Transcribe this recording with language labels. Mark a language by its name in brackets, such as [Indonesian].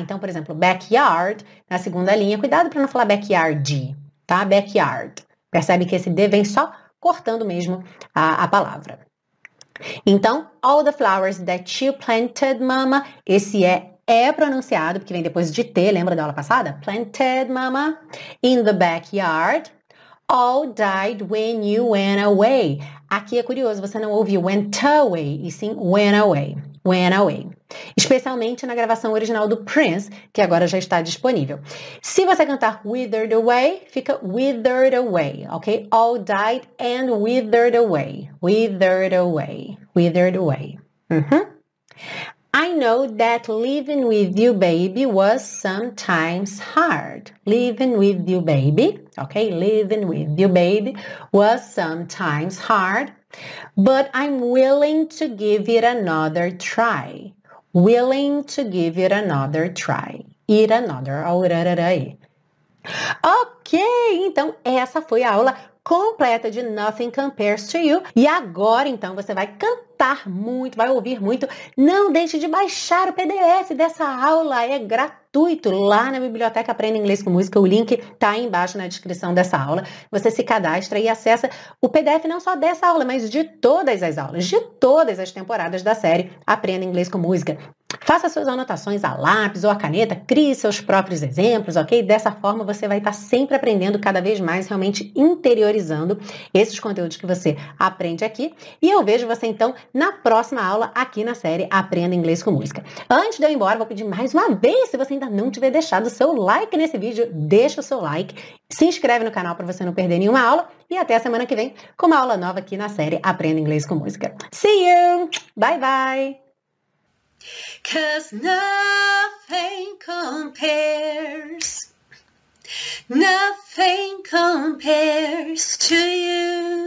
[Portuguese] Então, por exemplo, backyard, na segunda linha, cuidado para não falar backyard, tá? Backyard. Percebe que esse D vem só cortando mesmo a palavra. Então, [English] all the flowers that you planted, mama, [Portuguese] esse é pronunciado, porque vem depois de T, lembra da aula passada? [English] Planted, mama, in the backyard, all died when you went away. [Portuguese] Aqui é curioso, você não ouviu went away, e sim went away, went away. Especialmente na gravação original do Prince, que agora já está disponível. Se você cantar withered away, fica withered away, ok? [English] All died and withered away, withered away, withered away. I know that living with you, baby, was sometimes hard. Living with you, baby, ok? Living with you, baby, was sometimes hard. But I'm willing to give it another try. Willing to give it another try. It another. [Portuguese] Ok, então essa foi a aula completa de Nothing Compares to You. E agora, então, você vai cantar muito, vai ouvir muito. Não deixe de baixar o PDF dessa aula, é gratuito. Gratuito lá na Biblioteca Aprenda Inglês com Música, o link tá aí embaixo na descrição dessa aula. Você se cadastra e acessa o PDF não só dessa aula, mas de todas as aulas, de todas as temporadas da série Aprenda Inglês com Música. Faça suas anotações a lápis ou a caneta, crie seus próprios exemplos, ok? Dessa forma você vai estar sempre aprendendo cada vez mais, realmente interiorizando esses conteúdos que você aprende aqui. E eu vejo você então na próxima aula aqui na série Aprenda Inglês com Música. Antes de eu ir embora, vou pedir mais uma vez, se você ainda não tiver deixado o seu like nesse vídeo, deixa o seu like, se inscreve no canal para você não perder nenhuma aula e até a semana que vem com uma aula nova aqui na série Aprenda Inglês com Música. [English] See you! Bye, bye! 'Cause nothing compares, nothing compares to you.